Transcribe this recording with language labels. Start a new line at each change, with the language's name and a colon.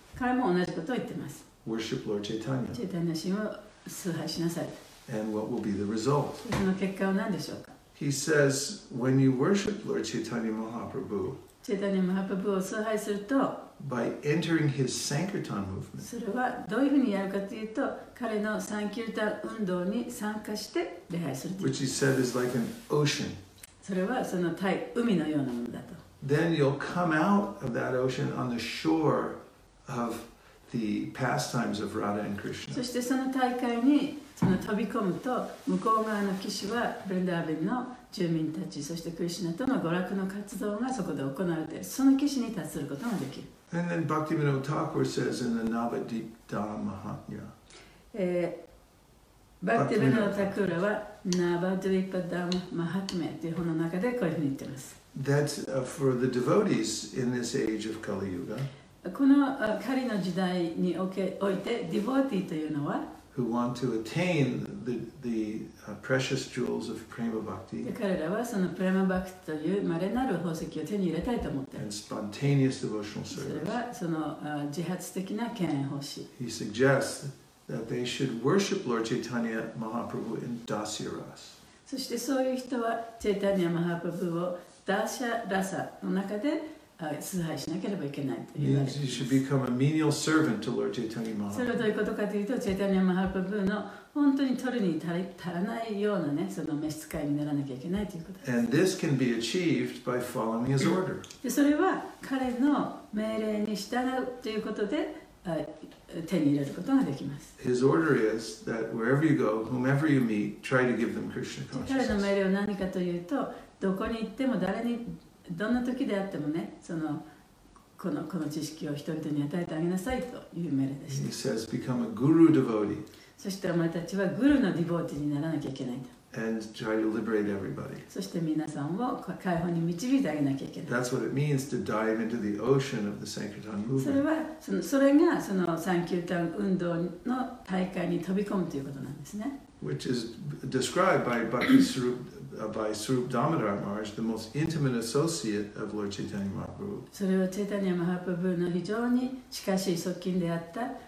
Japanese: 彼も同じことを言ってます。
English: Worship Lord Chaitanya.
Japanese: Chaitanya 神を崇拝しなさい。
English: And what will be the result?
Japanese: その結果は何でしょうか?
English: He says, when you worship Lord Chaitanya Mahaprabhu,
Japanese: Chaitanya Mahaprabhu を崇拝すると、
English: by entering his Sankirtan movement,
Japanese: それはどういうふうにやるかというと、彼のサンキルタン運動に参加して礼拝する。
English: Which he said is like an ocean.
Japanese: それはその対海のようなものだと。
English: Then you'll come out of that ocean on the shore of the pastimes of Radha and Krishna.
Japanese: そしてその大海にその飛び込むと、向こう側の岸はブリンダーベンの住民たち、そしてクリシナとの娯楽の活動がそこで行われている。その岸に達することができる。
English: And then Bhaktivinoda Thakur says in the Navadvipa Mahatmya.
Japanese: Bhaktivinoda Thakur は Navadvipa Dhamma Mahatmya という本の中でこういうふうに言っています。
English: That's for the devotees in this age of Kali Yuga.
Japanese: この Kali の時代において、devotee というのは、
English: who want to attain the precious jewels of prema bhakti.
Japanese: 彼らはそのプレマバクティという稀なる宝石を手に入れたいと思っている。
English: And spontaneous devotional service.
Japanese: それはその自発的な敬遠奉仕。
English: He suggests that they should worship Lord Chaitanya Mahaprabhu in Dasya Ras.
Japanese: そしてそういう人は、チェイタニア・マハプラブーをダーシャ・ラサの中で崇拝しなければいけないと言われています。
English: You should become a menial servant to Lord Chaitanya Mahaprabhu.
Japanese: それはどういうことかというと、チェイタニア・マハプラブーの本当に取るに足らないようなね、その召使いにならなきゃいけないということです。
English: And this can be achieved by following his order.
Japanese: で、それは彼の命令に従うということで、手に入れることができます。
English: His order is that wherever you go, whomever you meet, try to give them Krishna consciousness.
Japanese: 彼の命令は何かというと、どこに行っても誰にどんな時であってもね、そのこの知識を人々に与えてあげなさいという命令でした。
English: He says, become a guru devotee.
Japanese: そしてお前たちはグルのディボーティにならなきゃいけないと。
English: And try to liberate everybody.
Japanese: そして皆さんを解放に導いてあげなきゃいけない。
English: That's what it means to dive into the ocean of the Sankirtan movement.
Japanese: それはそれがそのサンキルタン運動の大会に飛び込むということなんですね。
English: Which is described by Srup Damodar Maharaj, the most intimate associate of Lord Chaitanya Mahaprabhu.
Japanese: それはチェタニアマハプラブーの非常に近しい側近であった。